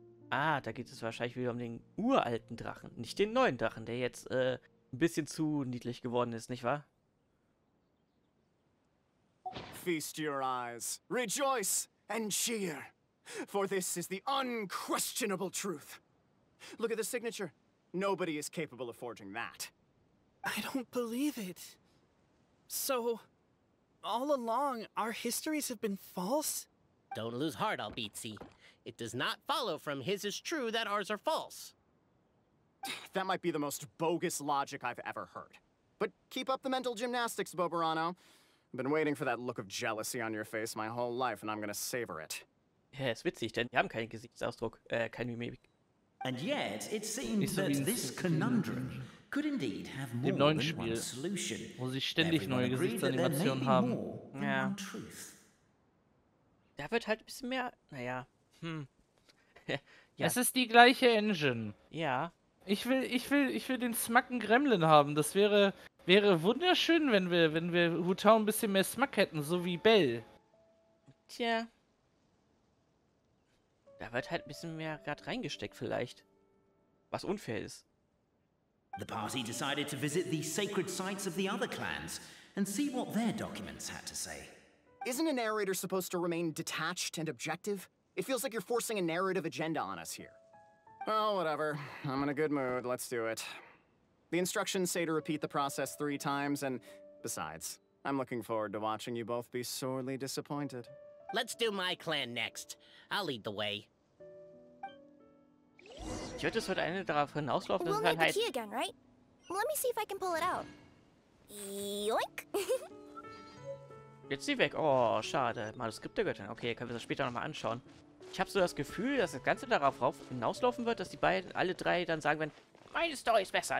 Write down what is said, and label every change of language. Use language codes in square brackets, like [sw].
[de] Ah, da geht es wahrscheinlich wieder um den uralten Drachen. Nicht den neuen Drachen, der jetzt ein bisschen zu niedlich geworden ist, nicht wahr? [en] Feast your eyes. Rejoice! And cheer, for this is the unquestionable truth. Look at the signature. Nobody is capable of forging that. I don't believe it. So, all along, our histories have been false? Don't lose heart, Albizzi. It does not follow from his is true that ours are false. That might be the most bogus logic I've ever heard. But keep up the mental gymnastics, Boberano. Been waiting for that look of jealousy on your face my whole life, and I'm gonna savor it. [de] Ja, ist witzig, denn wir haben keinen Gesichtsausdruck, keine Mimik. [en] And yet, it seems that this conundrum could indeed have more than one solution. [de] Wo sie ständig neue Gesichtsanimationen haben. Ja. Da wird halt ein bisschen mehr, naja, ja. Es ist die gleiche Engine. Ja. Ich will den Smacken Gremlin haben. Das wäre wunderschön, wenn wir Hu Tao ein bisschen mehr Smack hätten, so wie Bell. Tja. Da wird halt ein bisschen mehr gerade reingesteckt vielleicht. Was unfair ist. [en] The party decided to visit the sacred sites of the other clans and see what their documents had to say. Isn't a narrator supposed to remain detached and objective? It feels like you're forcing a narrative agenda on us here. Well, whatever. I'm in a good mood. Let's do it. The instructions say to repeat the process 3 times, and besides, I'm looking forward to watching you both be sorely disappointed. Let's do my clan next. I'll lead the way. [de] Ich hörte es heute eine darauf hinauslaufen, dass es halt... [en] We'll need the key again, right? Let me see if I can pull it out. Yoink! [de] Jetzt ist sie weg. Oh, schade. Manuskript der Göttin. Okay, können wir das später nochmal anschauen. Ich habe so das Gefühl, dass das Ganze darauf hinauslaufen wird, dass die beiden, alle drei dann sagen werden, meine Story ist besser.